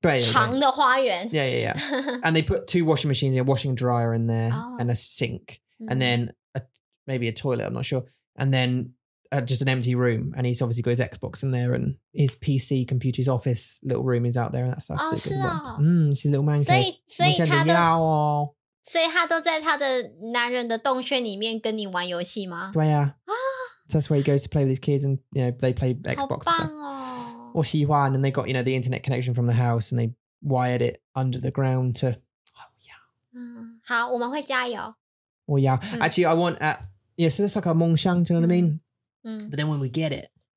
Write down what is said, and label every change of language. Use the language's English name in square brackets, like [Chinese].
[Chinese] 长的花园. [English] Yeah, yeah, yeah. And they put two washing machines, a washing dryer in there, and a sink, and then maybe a toilet, I'm not sure. And then just an empty room. And he's obviously got his Xbox in there, and his PC computer, his office little room is out there, and that's absolutely good. Oh, it's his little man cave. So, [Chinese] 所以他都在他的男人的洞穴里面跟你玩游戏吗? 对啊, [English] that's where he goes to play with his kids, and you know, they play Xbox. [Chinese] 好棒哦! 我喜欢, [English] and they got, you know, the internet connection from the house, and they wired it under the ground to... Oh, yeah. [Chinese] 好,我们会加油! [English] Oh, yeah. Actually, I want... yeah, so that's like a 梦想, do you know what I mean? But then when we get it...